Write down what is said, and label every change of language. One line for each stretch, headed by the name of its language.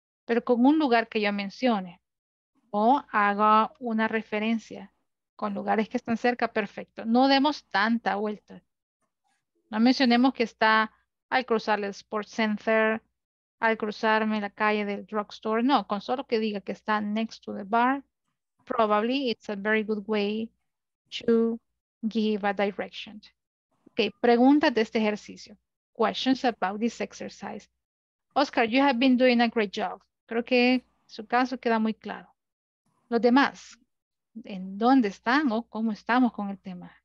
Spanish: Pero con un lugar que yo mencione o haga una referencia con lugares que están cerca, perfecto. No demos tanta vuelta. No mencionemos que está al cruzar el sports center, al cruzarme la calle del drugstore. No, con solo que diga que está
English: next to the bar. Probably it's a very good way to give a direction.
Spanish: Okay, preguntas de este ejercicio.
English: Questions about this exercise. Oscar, you have been doing a great job.
Spanish: Creo que su caso queda muy claro. Los demás, ¿en dónde están o cómo estamos con el tema?